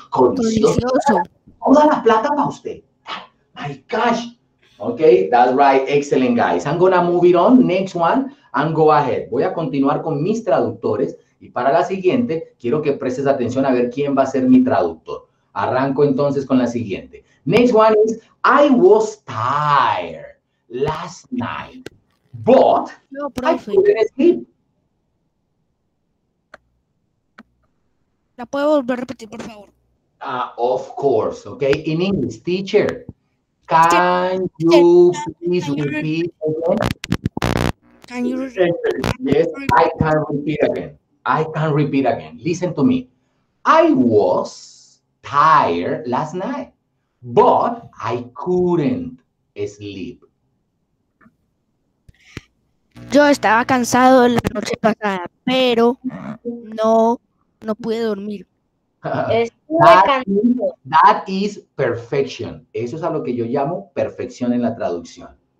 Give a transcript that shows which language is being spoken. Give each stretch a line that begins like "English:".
Spanish: Codicioso. Toda la plata para usted.
English: That I catch. Okay, that's right. Excellent, guys. I'm going to move it on. Next one, and go ahead.
Spanish: Voy a continuar con mis traductores. Y para la siguiente, quiero que prestes atención a ver quién va a ser mi traductor. Arranco entonces con la siguiente.
English: Next one is, I was tired last night, but
Spanish: no, profe.
English: I couldn't sleep.
Spanish: ¿La puedo volver a repetir, por favor?
English: Of course, okay? In English, teacher, can you please repeat again? Can you repeat again? Yes, I can repeat again. I can repeat again. Listen to me. I was tired last night, but I couldn't sleep.
Spanish: Yo estaba cansado la noche pasada, pero no pude dormir.
English: That is perfection.
Spanish: Eso es a lo que yo llamo perfección en la traducción.